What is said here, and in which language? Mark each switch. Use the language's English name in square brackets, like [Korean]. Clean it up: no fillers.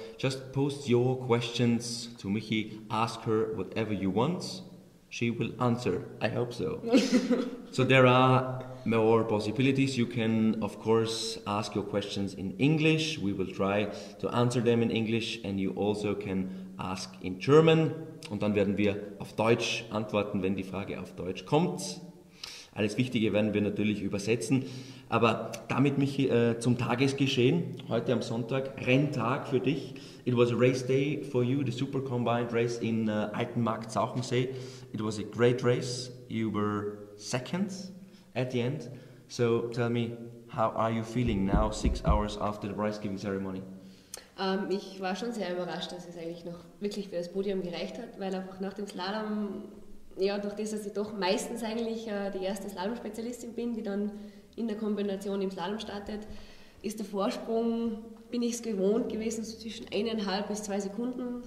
[English] Just post your questions to Michi, ask her whatever you want. She will answer. I hope so. So there are more possibilities. You can, of course, ask your questions in English. We will try to answer them in English. And you also can ask in German. [German] Und dann werden wir auf Deutsch antworten, wenn die Frage auf Deutsch kommt. Alles Wichtige werden wir natürlich übersetzen. Aber damit, Michi, zum Tagesgeschehen. Heute am Sonntag, Renntag für dich. [English] It was a race day for you, the Super Combined Race in Altenmarkt-Sauchensee. It was a great race. You were second at the end. So tell me, how are you feeling now, 6 hours after the prize-giving ceremony? [German] Ich war schon sehr überrascht, dass es eigentlich noch wirklich für das Podium gereicht hat, weil einfach nach dem Slalom, ja, durch das, dass ich doch meistens eigentlich die erste Slalom-Spezialistin bin, die dann in der Kombination im Slalom startet, ist der Vorsprung, bin ich es gewohnt gewesen, so zwischen 1,5 bis 2 Sekunden.